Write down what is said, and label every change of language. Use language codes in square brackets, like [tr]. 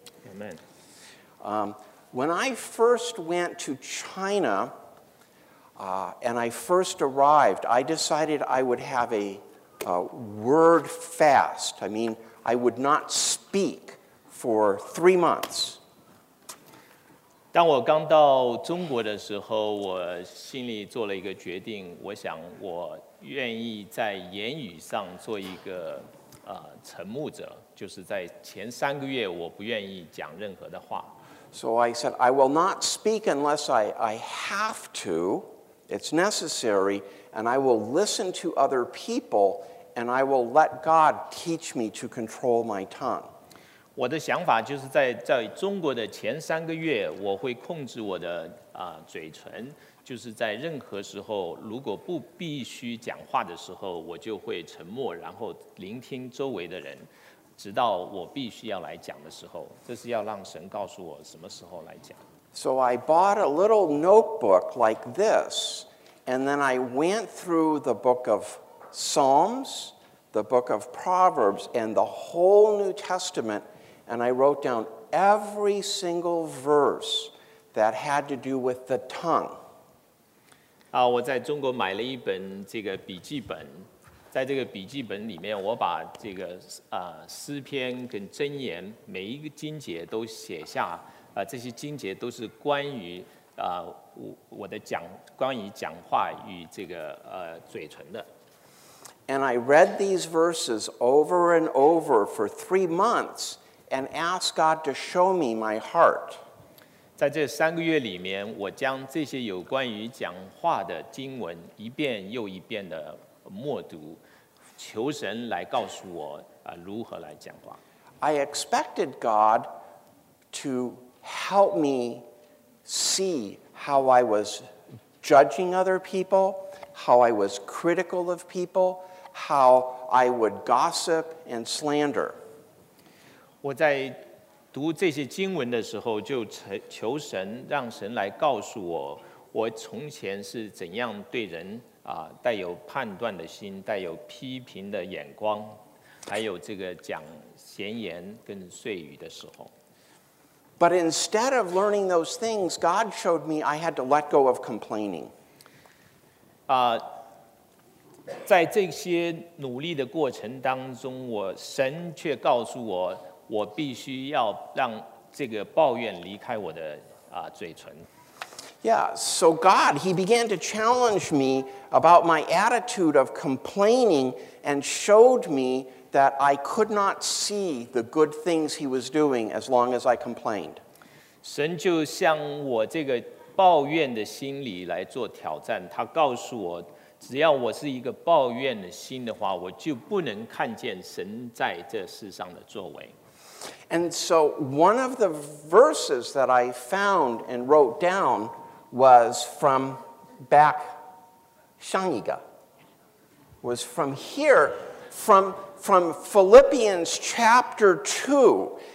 [en] Amen. When I first went to China and I first arrived, I decided I would have a word fast. I mean, I would not speak for 3 months. [zh] 当我刚到中国的时候，我心里做了一个决定，我想我愿意在言语上做一个沉默者，就是在前三个月我不愿意讲任何的话。 [en] So I said, I will not speak unless I have to, it's necessary, and I will listen to other people, and I will let God teach me to control my tongue. [zh] 我的想法就是在中国的前三个月，我会控制我的嘴唇，就是在任何时候，如果不必须讲话的时候，我就会沉默，然后聆听周围的人。直到我必须要来讲的时候，这是要让神告诉我什么时候来讲。 [en] So I bought a little notebook like this, and then I went through the book of Psalms, the book of Proverbs, and the whole New Testament, and I wrote down every single verse that had to do with the tongue. [zh] 我在中国买了一本这个笔记本。在这个笔记本里面，我把这个诗篇跟箴言每一个经节都写下，这些经节都是关于我的讲，关于讲话与这个嘴唇的。 [en] And I read these verses over and over for 3 months and asked God to show me my heart. [zh] 在这三个月里面，我将这些有关于讲话的经文一遍又一遍的默读，求神来告诉我如何来讲话。 [en] I expected God to help me see how I was judging other people, how I was critical of people, how I would gossip and slander. [zh] 我在读这些经文的时候，就求神让神来告诉我，我从前是怎样对人。带有判断的心，带有批评的眼光，还有这个讲闲言跟碎语的时候。 [en] But instead of learning those things, God showed me I had to let go of complaining. [zh] 在这些努力的过程当中，神却告诉我，我必须要让这个抱怨离开我的嘴唇。 [en] Yeah, so God, he began to challenge me about my attitude of complaining and showed me that I could not see the good things he was doing as long as I complained. [zh] 神就向我这个抱怨的心理来做挑战，他告诉我，只要我是一个抱怨的心的话，我就不能看见神在这世上的作为。 [en] And so one of the verses that I found and wrote down was from back, [zh] 上一个, [en] was from here, from Philippians chapter 2.